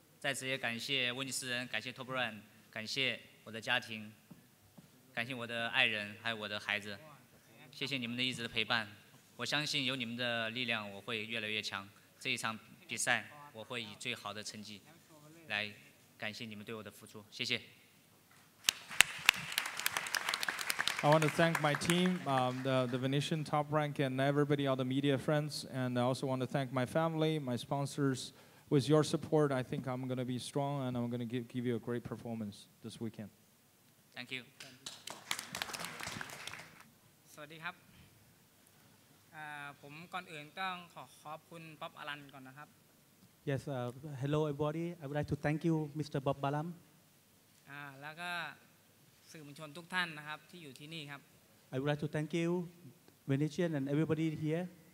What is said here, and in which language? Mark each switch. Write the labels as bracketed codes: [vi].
[zh] 一直见证我的每一场的胜利，感谢我的赞助商，在此也感谢威尼斯人，感谢 Top Run， 感谢我的家庭，感谢我的爱人，还有我的孩子，谢谢你们的一直的陪伴，我相信有你们的力量，我会越来越强。这一场比赛，我会以最好的成绩来感谢你们对我的付出，谢谢。 [en] I want to thank my team, the Venetian Top Rank, and everybody, all the media friends. And I also want to thank my family, my sponsors. With your support, I think I'm going to be strong, and I'm going to give you a great performance this weekend. Thank you. [th] สวัสดีครับ. ผมก่อนอื่นต้องขอบคุณป๊อปอลันก่อนนะครับ. [en] Yes, hello everybody. I would like to thank you, Mr. Bob Balam. [th] แล้วก็ สื่อมวลชนทุกท่านนะครับที่อยู่ที่นี่ครับ [en] I would like to thank you Venetian and everybody here